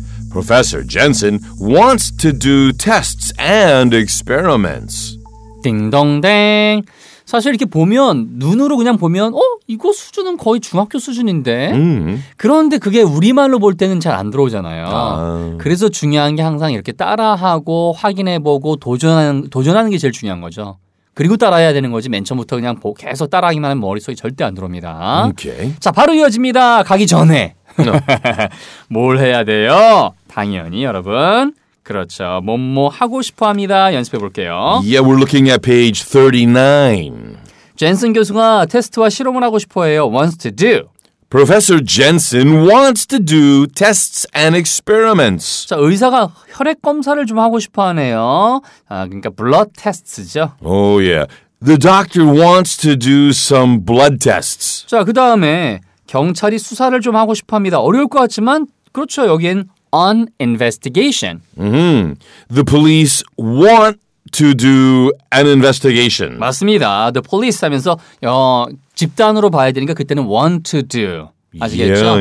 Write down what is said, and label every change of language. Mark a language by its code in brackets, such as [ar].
[en] Professor Jensen wants to do tests and experiments. [ko] 딩동댕. 사실 이렇게 보면 눈으로 그냥 보면 이거 수준은 거의 중학교 수준인데 그런데 그게 우리말로 볼 때는 잘 안 들어오잖아요. 그래서 중요한 게 항상 이렇게 따라하고 확인해보고 도전하는 게 제일 중요한 거죠. 그리고 따라해야 되는 거지 맨 처음부터 그냥 계속 따라하기만 하면 머릿속에 절대 안 들어옵니다. 오케이. 자, 바로 이어집니다. 가기 전에 뭘 해야 돼요? 당연히 여러분 그렇죠. 뭐뭐 하고 싶어 합니다. 연습해 볼게요. [en] Yeah, we're looking at page 39. [ko] 젠슨 교수가 테스트와 실험을 하고 싶어 해요. [en] Wants to do. Professor Jensen wants to do tests and experiments. [ko] 자, 의사가 혈액 검사를 좀 하고 싶어 하네요. 아, 그러니까 [en] blood tests [ko] 죠. [en] Oh yeah. The doctor wants to do some blood tests. [ko] 자, 그 다음에 경찰이 수사를 좀 하고 싶어 합니다. 어려울 것 같지만 그렇죠. 여기엔 [en] on investigation. Mm-hmm. The police want to do an investigation. [ko] 맞습니다. [en] The police [ko] 하면서 집단으로 봐야 되니까 그때는 [en] want to do. [ko] 아시겠죠?